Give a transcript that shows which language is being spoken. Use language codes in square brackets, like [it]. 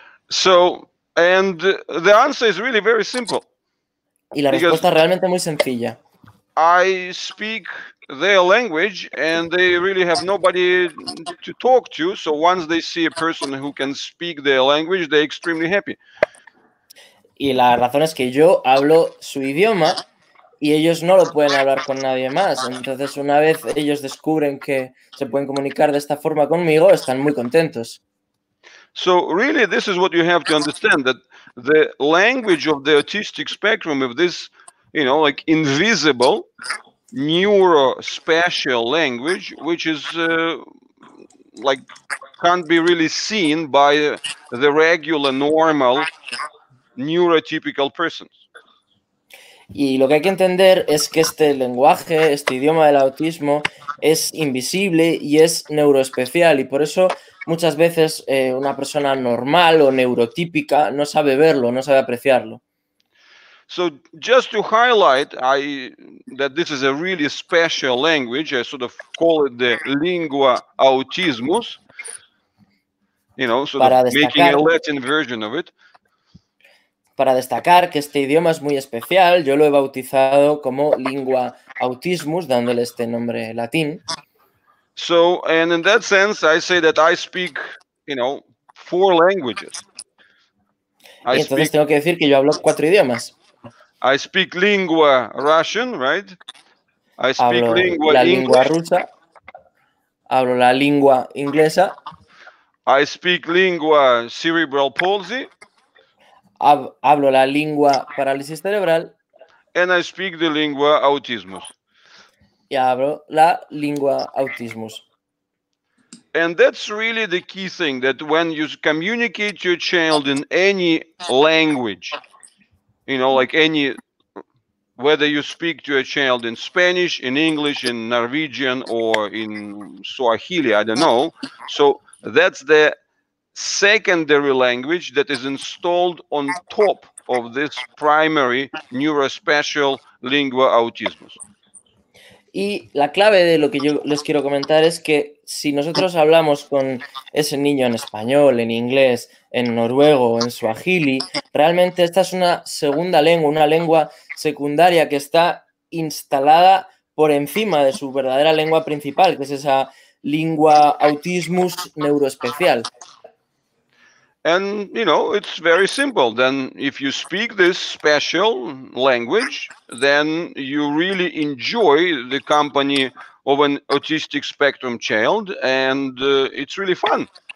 [en] So, and the answer is really very simple. [es] Y la respuesta es realmente muy sencilla. [en] I speak their language and they really have nobody to talk to, so once they see a person who can speak their language, they're extremely happy. [es] Y la razón es que yo hablo su idioma y ellos no lo pueden hablar con nadie más. Entonces, una vez ellos descubren que se pueden comunicar de esta forma conmigo, están muy contentos. [en] So, really, this is what you have to understand, that the language of the autistic spectrum, of this, you know, like, invisible, neuro-special language, which is, like, can't be really seen by the regular, normal, neurotypical persons. [es] Y lo que hay que entender es que este lenguaje, este idioma del autismo, es invisible y es neuroespecial. Y por eso muchas veces una persona normal o neurotípica no sabe verlo, no sabe apreciarlo. [en] So, just to highlight that this is a really special language, I sort of call it the lingua autismus, you know, sort [es] para [en] of [es] destacar, [en] making a Latin version of it. [es] Para destacar que este idioma es muy especial, yo lo he bautizado como lingua autismus, dándole este nombre latín. [en] So, and in that sense, I say that I speak, you know, four languages. [es] Y entonces tengo que decir que yo hablo cuatro idiomas. [en] I speak lingua Russian, right? I speak [es] hablo lingua la lingua rusa. Hablo la lingua inglesa. [en] I speak lingua cerebral palsy. [es] hablo la lengua parálisis cerebral. [en] And I speak the lingua autismus. [es] Y hablo la lengua autismus. [en] And that's really the key thing, that when you communicate to your child in any language, you know, like any, whether you speak to a child in Spanish, in English, in Norwegian, or in Swahili, I don't know. So that's the secondary language that is installed on top of this primary neurospatial lingua autismus. [es] Y la clave de lo que yo les quiero comentar es que si nosotros hablamos con ese niño en español, en inglés, en noruego, en suajili, realmente esta es una segunda lengua, una lengua secundaria que está instalada por encima de su verdadera lengua principal, que es esa lingua autismus neuroespecial. [en] And, you know, it's very simple. Then if you speak this special language, then you really enjoy the company of an autistic spectrum child, and it's really fun.